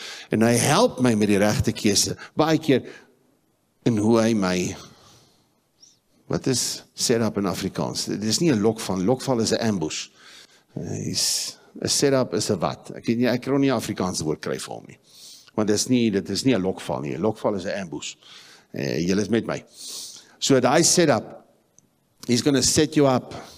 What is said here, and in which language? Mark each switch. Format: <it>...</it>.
<af>En hy help my met die regte kees, baie keer in hoe hy my, wat is setup in Afrikaans? Dit is nie een lokval. Lokval is een ambush. Een setup is een wat. Ek weet nie, ek kan nie Afrikaanse woord kry vir hom nie. Want dit is nie een lokval nie. Een lokval is een ambush. Julle is met my. So die</af> <en>setup, he's going to set you up.</en>